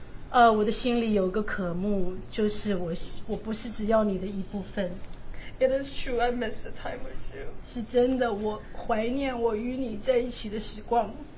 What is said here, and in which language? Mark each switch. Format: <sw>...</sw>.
<zh>我的心里有个渴慕，就是我不是只要你的一部分。</zh> <en>It is true, I miss the time with you.</en> <zh>是真的，我怀念我与你在一起的时光。</zh>